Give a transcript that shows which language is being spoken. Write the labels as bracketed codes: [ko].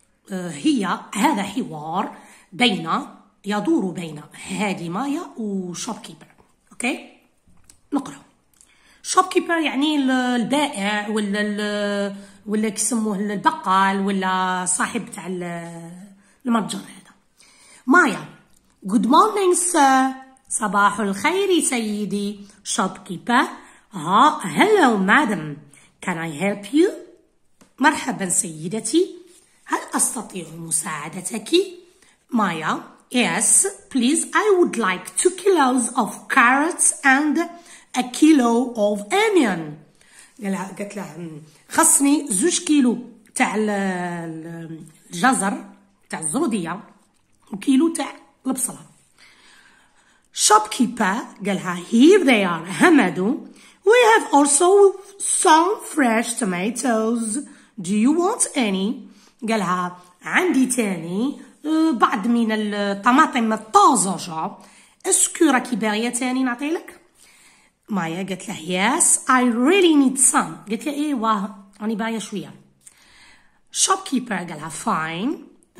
[ar] هي هذا حوار بين يدور بين هذه مايا وشوبكيبر. اوكي نقرا. شوبكيبر يعني البائع ولا كيسموه البقال ولا صاحب تاع المتجر هذا. [en] مايا: Good morning sir. [ar] صباح الخير سيدي. [en] Shopkeeper: Hello madam. Can I help you? [ar] مرحبا سيدتي، هل أستطيع مساعدتك؟ مايا: [en] Yes, please. I would like 2 kilos of carrots and 1 kilo of onion. [ar] قالت له خصني 2 كيلو تاع الجزر تاع الزرودية وكيلو تاع البصلة. [en] Shopkeeper [ar] قالها: [en] Here they are, [ar] همدو. [en] We have also some fresh tomatoes. Do you want any? [ar] قالها: عندي تاني بعض من الطماطم الطازجة. اسكو راكي باغية تاني نعطيلك؟ مايا قالت له: [en] Yes, I really need some. [ar] قالت له: إيوا راني باغية شوية. Shopkeeper قالها: [en] Fine.